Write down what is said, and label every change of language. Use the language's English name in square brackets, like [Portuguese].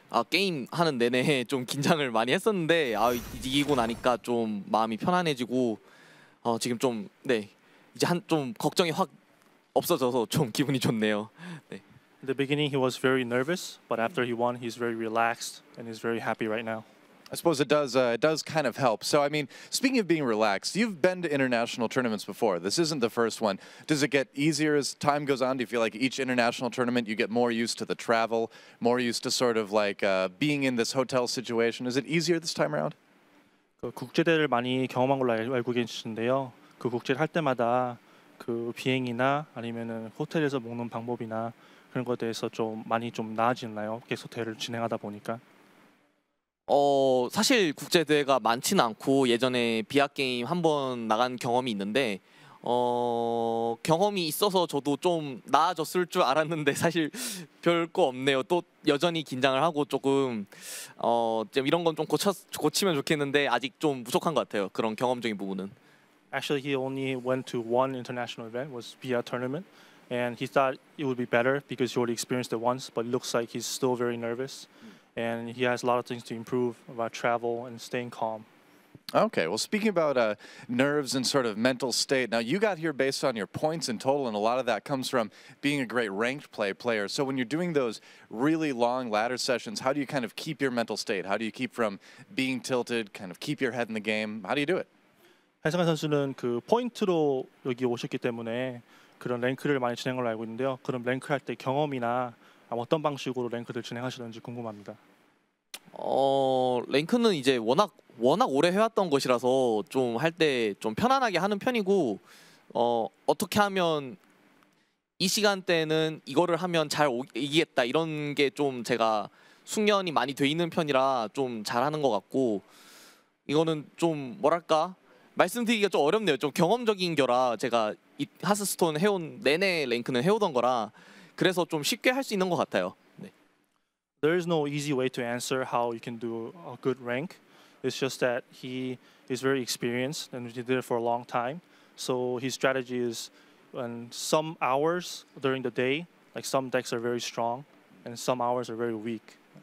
[Korean] Game 하는 내내 좀 긴장을 많이 했었는데 이기고 나니까 좀 마음이 편안해지고 지금 좀 네 이제 한 좀 걱정이 확 없어져서 좀 기분이 좋네요. 네. [English] In the beginning, he was very nervous, but after he won, he's very relaxed and he's very happy right now. I suppose it does kind of help. So, I mean, speaking of being relaxed, you've been to international tournaments before. This isn't the first one. Does it get easier as time goes on? Do you feel like each international tournament, you get more used to the travel, more used to sort of like being in this hotel situation? Is it easier this time around? [Korean] 그 국제대를 많이 경험한 걸로 알고 계시는데요. 그 국제를 할 때마다 그 비행이나 아니면은 호텔에서 먹는 방법이나 그런 것에 대해서 좀 많이 좀 나아지나요? 계속 대회를 진행하다 보니까. 사실 국제대회가 많지는 않고 예전에 비아 게임 한번 나간 경험이 있는데 경험이 있어서 저도 좀 나아졌을 줄 알았는데 사실 별 거 없네요. 또 여전히 긴장을 하고 조금 좀 이런 건 좀 고치면 좋겠는데 아직 좀 부족한 것 같아요. 그런 경험적인 부분은. [English] Actually, he only went to one international event, was VR tournament, and he thought it would be better because he already experienced it once, but it looks like he's still very nervous, and he has a lot of things to improve about travel and staying calm. Okay, well, speaking about nerves and sort of mental state, now you got here based on your points in total, and a lot of that comes from being a great ranked player. So when you're doing those really long ladder sessions, how do you kind of keep your mental state? How do you keep from being tilted, kind of keep your head in the game? How do you do it? [Korean] 한상한 선수는 그 포인트로 여기 오셨기 때문에 그런 랭크를 많이 진행을 알고 있는데요. 그럼 랭크할 때 경험이나 어떤 방식으로 랭크를 진행하시는지 궁금합니다. 랭크는 이제 워낙 오래 해왔던 것이라서 좀 할 때 좀 편안하게 하는 편이고 어떻게 하면 이 시간대에는 이거를 하면 잘 이기겠다 이런 게 좀 제가 숙련이 많이 돼 있는 편이라 좀 잘하는 것 같고 이거는 좀 뭐랄까 말씀드리기가 좀 어렵네요. 좀 경험적인 겨라 제가 이 하스스톤 해온 내내 랭크는 해오던 거라 그래서 좀 쉽게 할 수 있는 것 같아요. 네. [English] There is no easy way to answer how you can do a good rank. It's just that he is very experienced and he did it for a long time. So his strategy is in some hours during the day, like some decks are very strong and some hours are very weak.